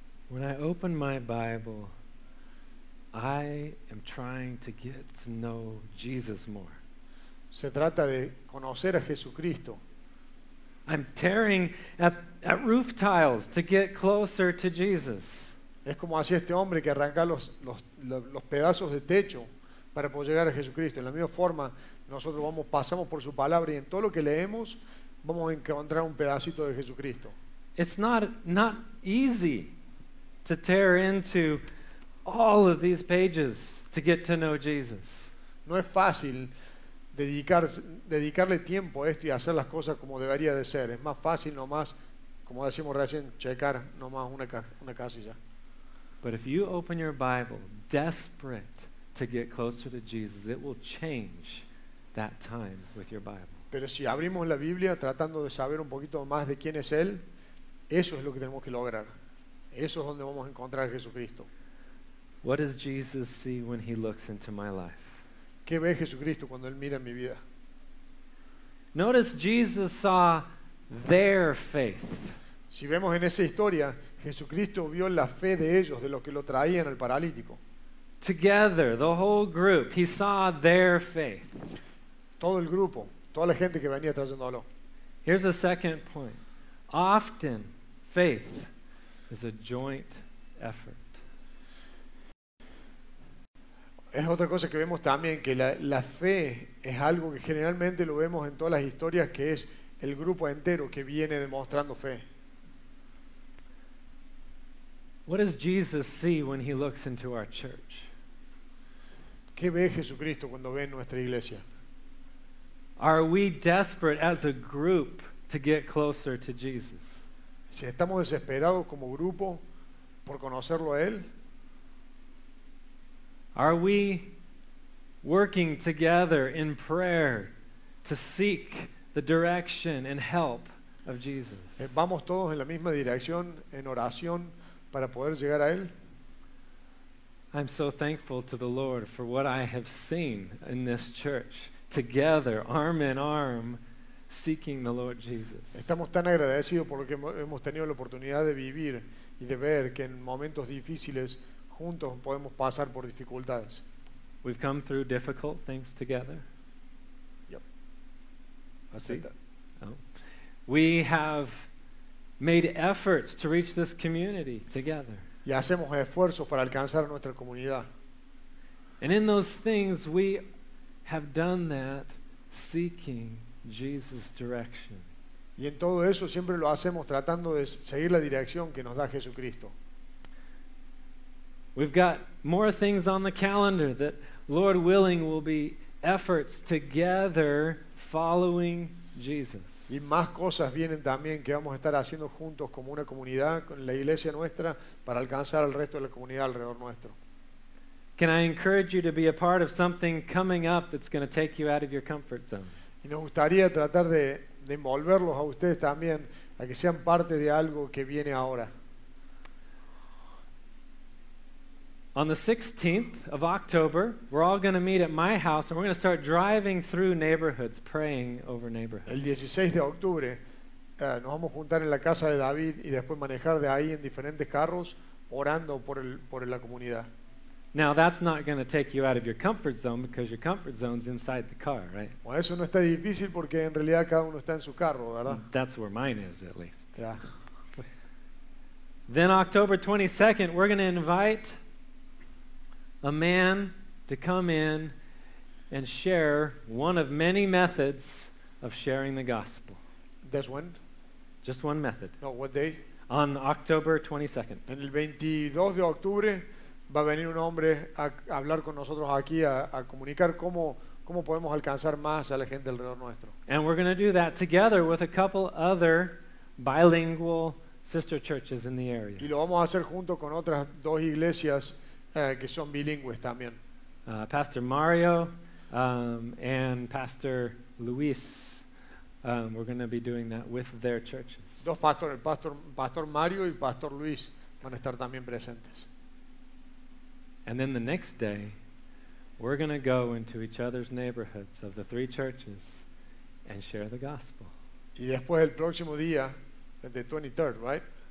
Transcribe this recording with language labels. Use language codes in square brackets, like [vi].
[en] When I open my Bible, I am trying to get to know Jesus more. [es] Se trata de conocer a Jesucristo. [en] I'm tearing at roof tiles to get closer to Jesus. [es] Es como hacía este hombre que arranca los pedazos de techo para poder llegar a Jesucristo. En la misma forma, nosotros pasamos por su palabra y en todo lo que leemos vamos a encontrar un pedacito de Jesucristo. [en] It's not easy to tear into all of these pages to get to know Jesus. [es] No es fácil dedicarle tiempo a esto y hacer las cosas como debería de ser. Es más fácil nomás, como decimos recién, checar nomás una casilla. [en] But if you open your Bible desperate to get closer to Jesus, it will change that time with your Bible. [es] Pero si abrimos la Biblia tratando de saber un poquito más de quién es él, eso es lo que tenemos que lograr. Eso es donde vamos a encontrar a Jesucristo. [en] What does Jesus see when he looks into my life? [es] ¿Qué ve Jesucristo cuando él mira mi vida? [en] Notice Jesus saw their faith. [es] Si vemos en esa historia, Jesucristo vio la fe de ellos, de los que lo traían al paralítico. [en] Together, the whole group, he saw their faith. [es] Todo el grupo, toda la gente que venía trayéndolo. [en] Here's a second point. Often, faith is a joint effort. [es] Es otra cosa que vemos también, que la fe es algo que generalmente lo vemos en todas las historias, que es el grupo entero que viene demostrando fe. [en] What does Jesus see when he looks into our church? [es] ¿Qué ve Jesucristo cuando ve en nuestra iglesia? [en] Are we desperate as a group to get closer to Jesus? [es] Si estamos desesperados como grupo por conocerlo a él. [en] Are we working together in prayer to seek the direction and help of Jesus? [es] ¿Vamos todos en la misma dirección en oración para poder llegar a él? [en] I'm so thankful to the Lord for what I have seen in this church, together, arm in arm, seeking the Lord Jesus. [es] Estamos tan agradecidos por lo que hemos tenido la oportunidad de vivir y de ver que en momentos difíciles juntos podemos pasar por dificultades. [en] We've come through difficult things together. Yep. I see that. We have made efforts to reach this community together. [es] Y hacemos esfuerzos para alcanzar nuestra comunidad. [en] And in those things we have done that seeking Jesus' direction. [es] Y en todo eso siempre lo hacemos tratando de seguir la dirección que nos da Jesucristo. [en] We've got more things on the calendar that, Lord willing, will be efforts together following Jesus. [es] Y más cosas vienen también que vamos a estar haciendo juntos como una comunidad, con la iglesia nuestra, para alcanzar al resto de la comunidad alrededor nuestro. [en] Can I encourage you to be a part of something coming up that's going to take you out of your comfort zone? [es] Y nos gustaría tratar de envolverlos a ustedes también a que sean parte de algo que viene ahora. [en] On the 16th of October, we're all going to meet at my house and we're going to start driving through neighborhoods, praying over neighborhoods. [es] El 16 de octubre nos vamos a juntar en la casa de David y después manejar de ahí en diferentes carros orando por la comunidad. [en] Now that's not going to take you out of your comfort zone because your comfort zone's inside the car, right? [es] Bueno, eso no está difícil porque en realidad cada uno está en su carro, ¿verdad? [en] That's where mine is, at least. Yeah. Then October 22nd, we're going to invite a man to come in and share one of many methods of sharing the gospel. That's one? Just one method. No, what day? On October 22nd. [es] En el 22 de octubre va a venir un hombre a hablar con nosotros aquí, a comunicar cómo podemos alcanzar más a la gente alrededor nuestro. [en] And we're going to do that together with a couple other bilingual sister churches in the area. [es] Y lo vamos a hacer junto con otras dos iglesias que son bilingües también. [en] Pastor Mario and Pastor Luis, we're going to be doing that with their churches. [es] Dos pastores, Pastor Mario y Pastor Luis van a estar también presentes. [en] And then the next day, we're going to go into each other's neighborhoods of the three churches and share the gospel. [es] Y después el próximo día, [en] the 23rd, right?